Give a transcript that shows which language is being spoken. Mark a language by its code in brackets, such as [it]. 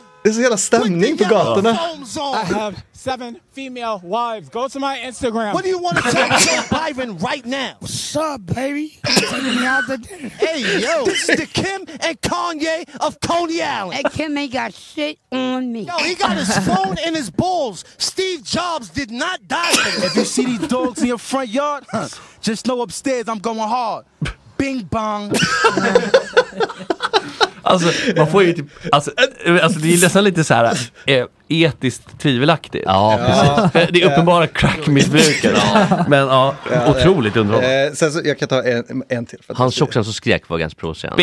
[en] This is hella [sv] stämning på gatorna. [en] I have 7 female wives. Go to my Instagram. What do you want to talk to Byron right now? What's up, baby? Taking me out to dinner. Hey, yo. This is the Kim and Kanye of Coney Island. And Kim ain't got shit on me. Yo, he got his phone in his balls. Steve Jobs did not die. If you see these dogs in your front yard, just know upstairs I'm going hard. Bing bong. [sv] Alltså man får ju typ alltså det är nästan lite så här etiskt tvivelaktigt. Ja, precis. Det är uppenbara crackmissbruket. Men ja, otroligt underhållande. Sen så jag kan ta en till för han såg sen så skrek var ganska provocerande.